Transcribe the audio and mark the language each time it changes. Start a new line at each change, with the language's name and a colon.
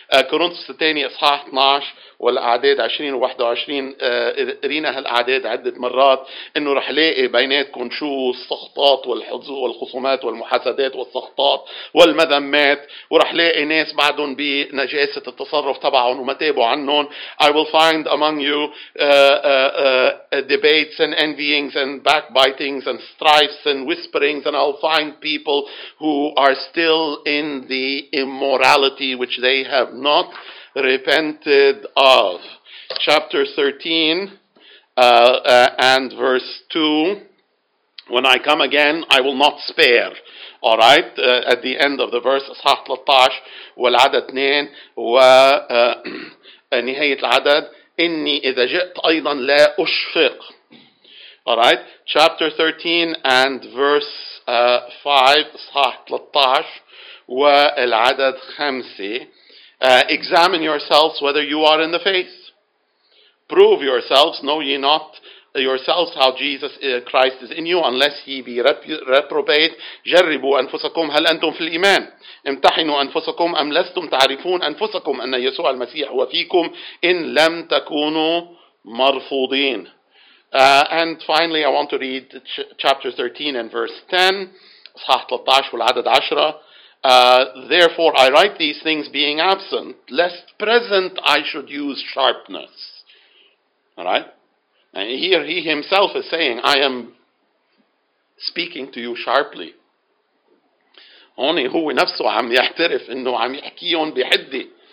English: Corinthians 2, 12,
Arabic: والأعداد 20 و21 رينا هالأعداد عدة مرات إنه رح لاقي بيناتكم شو السخطات والحظوظ والخصومات والمحاسدات والسخطات والمذمات، ورح لاقي ناس بعدهم بنجاسة التصرف تبعهم وما تابوا عنهم.
English: I will find among you debates and envyings and backbitings and strifes and whisperings, and I'll find people who are still in the immorality which they have not repented of. Chapter 13 and verse 2. When I come again, I will not spare. All right. At the end of the verse,
Arabic: صحاح 13 والعدد 2 ونهاية العدد إني إذا جئت أيضا لا أشفق.
English: All right. Chapter 13 and verse 5.
Arabic: صحاح 13 والعدد 5.
English: Examine yourselves whether you are in the faith. Prove yourselves. Know ye not yourselves how Jesus Christ is in you, unless he be reprobate.
Arabic: جربوا أنفسكم هل أنتم في الإيمان. امتحنوا أنفسكم أم لستم تعرفون أنفسكم أن يسوع المسيح هو فيكم إن لم تكونوا مرفوضين.
English: And finally, I want to read chapter 13 and verse 10.
Arabic: صحاح 13 والعدد 10.
English: Therefore, I write these things being absent, lest present I should use sharpness. All right? And here he himself is saying, I am speaking to you sharply.
Arabic: Only هو نفسه عم يعترف انه عم يحكيهم بحدي.